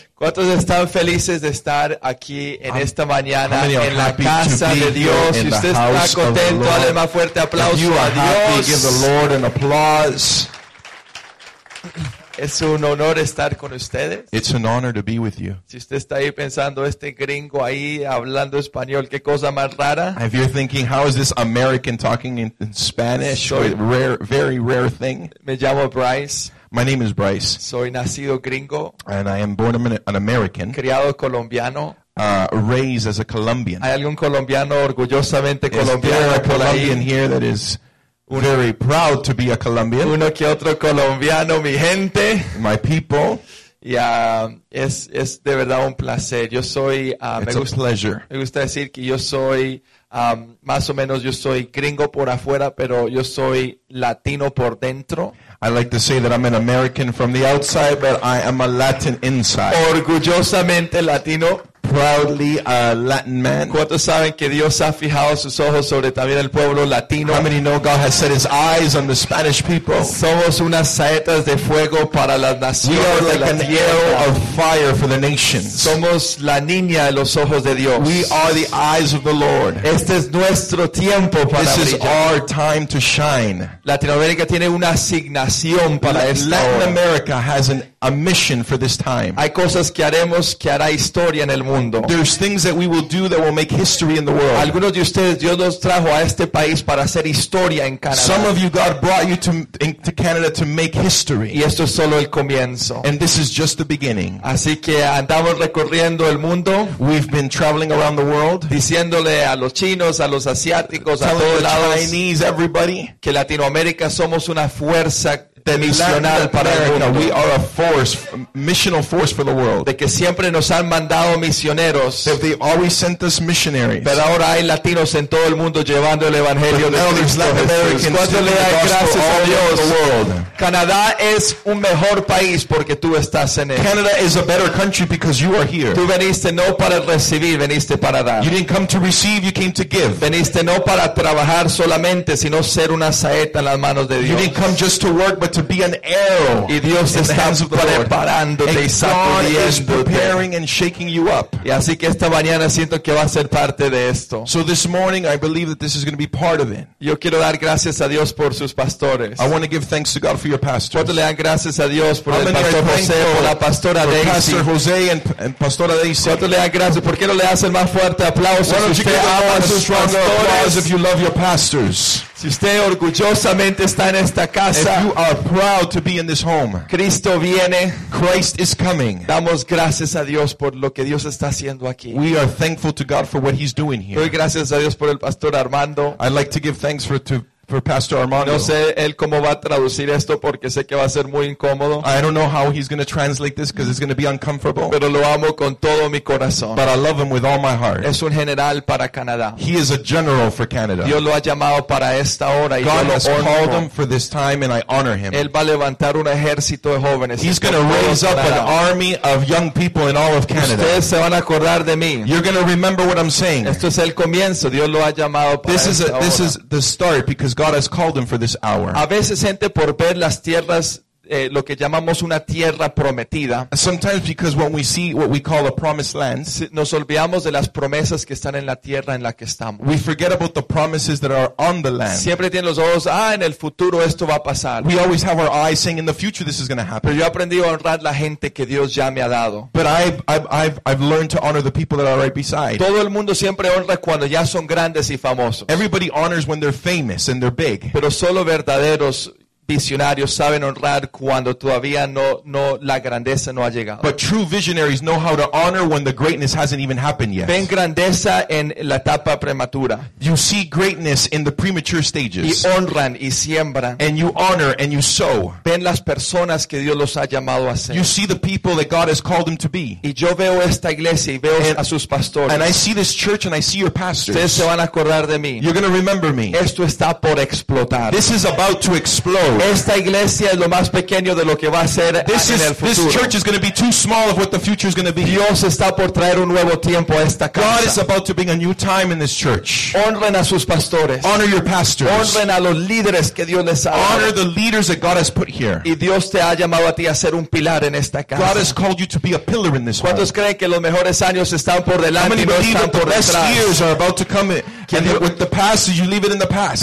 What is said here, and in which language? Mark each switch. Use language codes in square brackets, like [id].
[es] ¿Cuántos están felices de estar aquí en esta mañana en la casa de Dios? Si usted está contento, dale más fuerte aplauso a Dios. [en] Give the Lord an applause. [es] Es un honor estar con ustedes. [en] It's an honor to be with you. [es] Si usted está ahí pensando, este gringo ahí hablando español, qué cosa más rara. [en] If you're thinking, how is this American talking in Spanish? Very rare thing. [es] Me llamo Bryce. [en] My name is Bryce. [es] Soy nacido gringo. [en] And I am born an American. [es] Criado colombiano. [en] Raised as a Colombian. [es] ¿Hay algún colombiano orgullosamente colombiano por ahí? [en] Is there a Colombian here that is very proud to be a Colombian? [es] Uno que otro colombiano, mi gente. [en] My people. [es] Es de verdad un placer. Yo soy, [en] pleasure. [es] Me gusta decir que yo soy, más o menos yo soy gringo por afuera, pero yo soy latino por dentro. [en] I like to say that I'm an American from the outside, but I am a Latin inside. [es] Orgullosamente latino. [en] Proudly a Latin man. [es] ¿Cuántos saben que Dios ha fijado sus ojos sobre también el pueblo latino? [en] How many know God has set his eyes on the Spanish people? [es] Somos unas saetas de fuego para las naciones. [en] We are like an arrow of fire for the nations. [es] Somos la niña de los ojos de Dios. [en] We are the eyes of the Lord. [es] Este es nuestro tiempo para [en] this [es] brillar. [en] This is our time to shine. [es] Latinoamérica tiene una asignación para esto. [en] Latin America has an a mission for this time. [es] Hay cosas que haremos que hará historia en el mundo. [en] There's things that we will do that will make history in the world. [es] Algunos de ustedes Dios los trajo a este país para hacer historia en Canadá. [en] Some of you God brought you to Canada to make history. [es] Y esto es solo el comienzo. [en] And this is just the beginning. [es] Así que andamos recorriendo el mundo. [en] We've been traveling around the world. [es] Diciéndole a los chinos, a los asiáticos, a todos lados. [en] Chinese, everybody. [es] Que Latinoamérica somos una fuerza misional para el mundo. [en] We are a force, a missional force for the world. [es] De que siempre nos han mandado misioneros. [en] That they always sent us missionaries. [es] Pero ahora hay latinos en todo el mundo llevando el evangelio de Cristo. Le doy gracias a Dios. Canadá es un mejor país porque tú estás en él. [en] Canada is a better country because you are here. [es] Tú veniste no para recibir, veniste para dar. [en] You didn't come to receive, you came to give. [es] Veniste no para trabajar solamente, sino ser una saeta en las manos de Dios. [en] You didn't come just to work, but to be an arrow. [es] Y Dios está preparando, [en] preparing and shaking you up. [es] Y así que esta mañana siento que va a ser parte de esto. [en] So this morning I believe that this is going to be part of it. [es] Yo quiero dar gracias a Dios por sus pastores. [en] I want to give thanks to God for your pastors. [es] Cuánto le dan gracias a Dios por el pastor José, por la pastora Daisy. [en] Pastor José and pastora Daisy. [es] Cuánto le dan gracias. ¿Por qué no le hacen más fuerte aplausos? [en] Why don't you give them a strong applause if you love your pastors? [es] Si usted orgullosamente está en esta casa, [en] if you are proud to be in this home, [es] Cristo viene. [en] Christ is coming. [es] Damos gracias a Dios por lo que Dios está haciendo aquí. [en] We are thankful to God for what He's doing here. [es] Doy gracias a Dios por el pastor Armando. [en] I'd like to give thanks for Pastor Armando. [es] No sé él cómo va a traducir esto porque sé que va a ser muy incómodo. [en] I don't know how he's going to translate this because it's going to be uncomfortable. [es] Pero lo amo con todo mi corazón. [en] But I love him with all my heart. [es] Es un general para Canadá. [en] He is a general for Canada. [es] Dios lo ha llamado para esta hora y [en] God [es] lo honro. [en] God has called him for this time and I honor him. [es] Él va a levantar un ejército de jóvenes. [en] He's going to raise up Canada. An army of young people in all of Canada. [es] Ustedes se van a acordar de mí. [en] You're going to remember what I'm saying. [es] Esto es el comienzo. Dios lo ha llamado para [en] this [es] esta hora. [en] This is the start because God has called him for this hour. [es] A veces gente por ver las tierras lo que llamamos una tierra prometida. [en] Sometimes because when we see what we call a promised land, [es] nos olvidamos de las promesas que están en la tierra en la que estamos. [en] We forget about the promises that are on the land. [es] Siempre tienen los ojos, en el futuro esto va a pasar. [en] We always have our eyes saying in the future this is going to happen. [es] Pero yo he aprendido a honrar la gente que Dios ya me ha dado. [en] But I've learned to honor the people that are right beside. [es] Todo el mundo siempre honra cuando ya son grandes y famosos. [en] Everybody honors when they're famous and they're big. [es] Pero solo verdaderos visionarios saben honrar cuando todavía no la grandeza no ha llegado. [en] But true visionaries know how to honor when the greatness hasn't even happened yet. [es] Ven grandeza en la etapa prematura. [en] You see greatness in the premature stages. [es] Y honran y siembran. [en] And you honor and you sow. [es] Ven las personas que Dios los ha llamado a ser. [en] You see the people that God has called them to be. [es] Y yo veo esta iglesia y veo a sus pastores. [en] And I see this church and I see your pastors. [es] Ustedes se van a acordar de mí. [en] You're going to remember me. [es] Esto está por explotar. [en] This is about to explode. [es] Esta iglesia es lo más pequeño de lo que va a ser en el futuro. [en] This church is going to be too small of what the future is going to be. [es] Dios está por traer un nuevo tiempo a esta casa. [en] God is about to bring a new time in this church. [es] Honren a sus pastores. [en] Honor your pastors. [es] Honren a los líderes que Dios les ha dado. [en] Honor the leaders that God has put here. [es] Y Dios te ha llamado a ti a ser un pilar en esta casa. [en] God has called you to be a pillar in this. [es] ¿Cuántos creen que los mejores años están por delante y no están por detrás? [en] The best years are about to come. And with the past, you leave it in the past.